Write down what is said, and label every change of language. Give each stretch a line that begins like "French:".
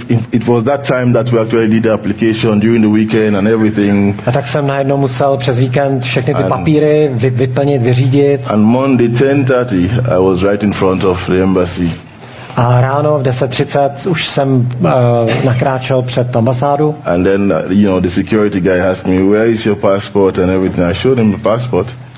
English: It was that time that we actually did the application during the weekend and everything.
Czech: A tak jsem najednou musel přes víkend všechny ty papíry vyplnit, vyřídit.
English: And Monday 10:30 I was right in front of the embassy.
Czech: A ráno v 10:30 už jsem nakráčel před ambasádu.
English: And then the security guy asked me, where is your passport and everything. I showed him the passport.